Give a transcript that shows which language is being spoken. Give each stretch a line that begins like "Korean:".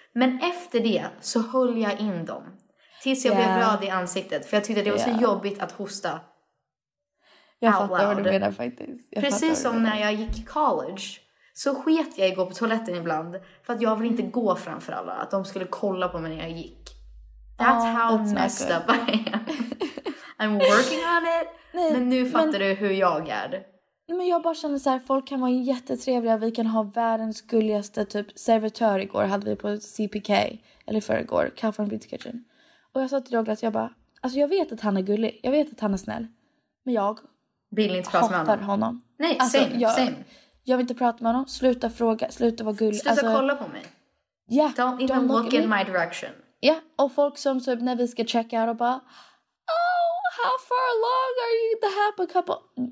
Swedish: Men efter det så höll jag in dem. Tills jag blev röd i ansiktet. För jag tyckte det var så jobbigt att hosta. Jag fattar vad du menar faktiskt. Precis som när jag gick i college så sket jag gå på toaletten ibland för att jag ville inte gå framför alla. Att de skulle kolla på mig när jag gick.
English: That's how that's messed up I am. I'm working on it.
Swedish: Nej, men nu fattar du hur jag är. Nej, men jag bara känner så här, folk kan vara jättetrevliga. Vi kan ha världens gulligaste typ servitör igår hade vi på CPK. Eller förrgår, Cafe and Beauty Kitchen. Och jag sa till Douglas, jag bara, alltså jag vet att han är gullig. Jag vet att han är snäll. Men jag... Vill inte prata med honom. Nej, alltså, same. Jag vill inte prata med honom. Sluta fråga. Sluta vara gullig. Sluta alltså, kolla på mig.
English: Yeah, don't look in my direction. Ja, yeah.
Swedish: Och folk som typ när vi ska checka och bara...
English: Oh, how far along are you the happy couple?